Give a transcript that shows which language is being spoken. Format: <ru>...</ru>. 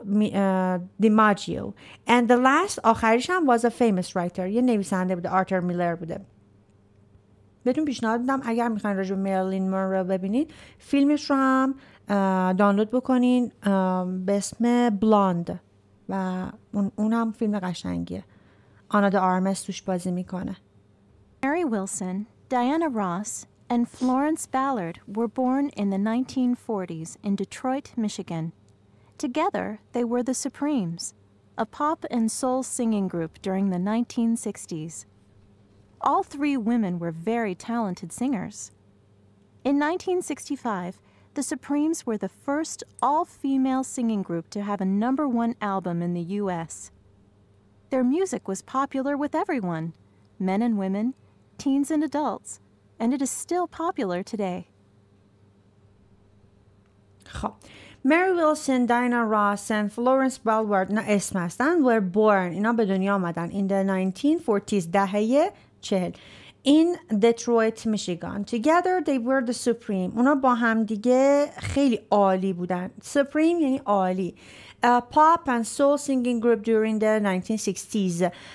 <en>Joe DiMaggio. And the last</en> <fa>آخریش هم</fa> <en>was a famous writer.</en> <fa>یه نویسنده بوده.</fa> <en>Arthur Miller بوده.</en> <fa>بهتون پیشنهاد دادم اگر میخواین راجع به Marilyn Monroe ببینید فیلمش رو هم دانلود بکنین به اسم بلاند و اون هم فیلم قشنگیه. آنا د آرمس توش بازی میکنه.</fa> <en>Mary Wilson, Diana Ross, and Florence Ballard were born in the 1940s in Detroit, Michigan. Together, they were the Supremes, a pop and soul singing group during the 1960s. All three women were very talented singers. In 1965, the Supremes were the first all-female singing group to have a number one album in the U.S. Their music was popular with everyone, men and women, teens and adults, and it is still popular today.</en> <fa>خب.</fa> <en>Mary Wilson, Diana Ross and Florence Ballard were born</en> <fa>اینا به دنیا آمدن</fa> <en>in the 1940s</en> <fa>دهه 40</fa> <en>in Detroit, Michigan. Together they were the supreme.</en> <fa>اونا با هم دیگه خیلی عالی بودن. Supreme یعنی عالی.</fa> <en>A pop and soul singing group during the 1960s.</en>